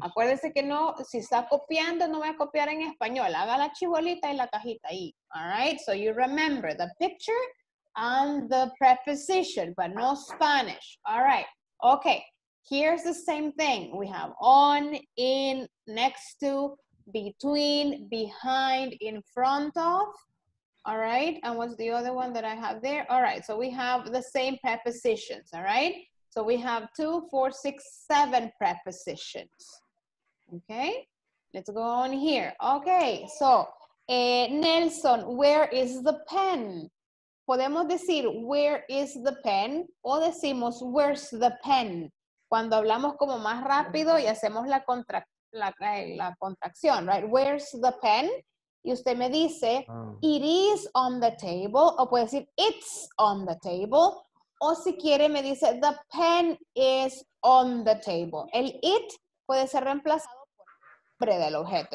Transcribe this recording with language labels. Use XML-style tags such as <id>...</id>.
<es>Acuérdese que no, si está copiando, no voy a copiar en español. Haga la chibolita y la cajita ahí,</es> <en>all right? So you remember the picture and the preposition, but no Spanish, all right? Okay, here's the same thing. We have on, in, next to, between, behind, in front of. All right. And what's the other one that I have there? All right. So we have the same prepositions. All right. So we have 2, 4, 6, 7 prepositions. Okay. Let's go on here. Okay. So Nelson, where is the pen?</en> <es>Podemos decir,</es> <en>where is the pen?</en> <es>O decimos,</es> <en>where's the pen?</en> <es>Cuando hablamos como más rápido y hacemos la contracción, right?</es> <en>Where's the pen?</en> <es>Y usted me dice,</es> <en>it is on the table.</en> <es>O puede decir,</es> <en>it's on the table.</en> <es>O si quiere, me dice,</es> <en>the pen is on the table.</en> <es>El it puede ser reemplazado por el nombre del objeto.</es>